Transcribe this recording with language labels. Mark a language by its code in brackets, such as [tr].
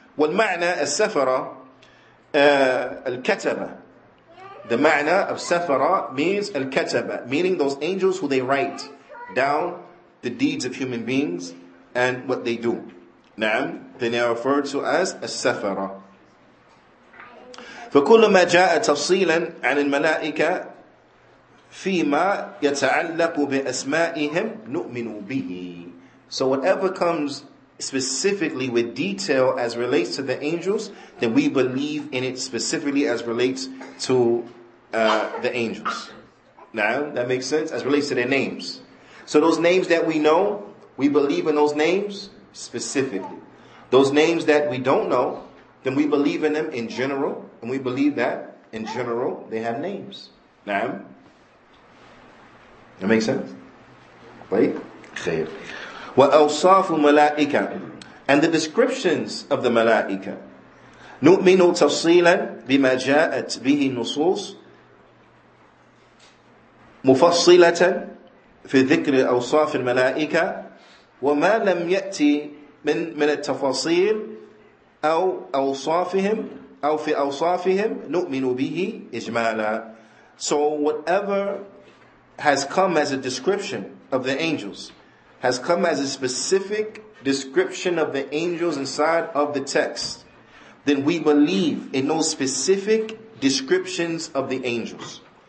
[ar] Wal-ma'na as-safara, al-kataba. [en] The ma'na of safara means al-kataba, meaning those angels who they write down the deeds of human beings and what they do. Ma'am. Then they are referred to as as-safara. [ar] فكل ما جاء تفصيلا عن الملائكة فيما يتعلق بأسمائهم نؤمن به. [en] So whatever comes specifically with detail as relates to the angels, then we believe in it specifically as relates to the angels. Now, that makes sense? As relates to their names. So those names that we know, we believe in those names specifically. Those names that we don't know, then we believe in them in general, and we believe that in general they have names. Now, that makes sense? [ar] طيب خير. وأوصاف الملائكة, [en] and the descriptions of the ملائكة. [ar] نؤمن تفصيلا بما جاءت به النصوص مفصلة في ذكر أوصاف الملائكة وما لم يأتي من التفاصيل أو أوصافهم أو في أوصافهم نؤمن به إجمالا. [en] So whatever has come as a description of the angels, has come as a specific description of the angels inside of the text, then we believe in those specific descriptions of the angels.